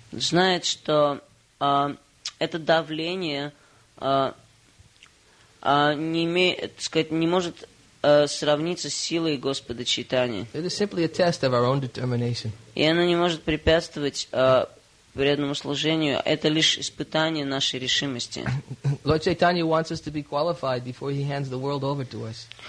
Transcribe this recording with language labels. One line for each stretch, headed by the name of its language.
Russian: Знает, что это давление не имеет, так сказать, не может сравниться с силой Господа Чайтани.
English: It is simply a test of our own determination.
Russian: И оно не может препятствовать преданному служению, это лишь испытание нашей решимости.
English: Lord Chaitanya wants us to be qualified before he hands the world over to us.